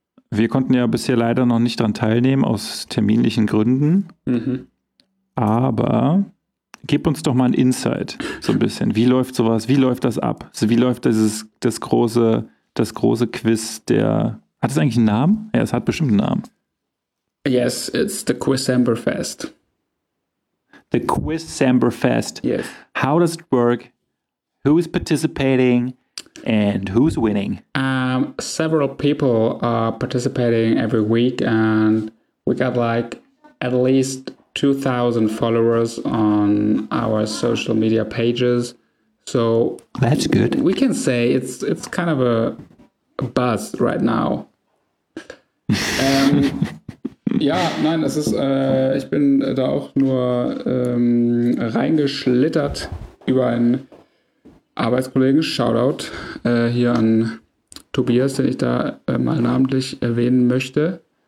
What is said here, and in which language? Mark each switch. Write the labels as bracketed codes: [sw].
[de] Wir konnten ja bisher leider noch nicht dran teilnehmen, aus terminlichen Gründen. Aber gib uns doch mal ein Insight, so ein bisschen. Wie läuft sowas? Wie läuft das ab? Also wie läuft das große Quiz der. Hat es eigentlich einen Namen? Ja, es hat bestimmt einen Namen. [en] Yes, it's the Quizember Fest. The Quizember Fest. Yes. How does it work? Who is participating? And who's winning? Several people are participating every week, and we got like at least 2,000 followers on our social media pages. So that's good. We can say it's kind of a buzz right now. [de] ja, nein, es ist. Ich bin da auch nur reingeschlittert über ein Arbeitskollegen, Shoutout hier an Tobias, den ich da mal namentlich erwähnen möchte.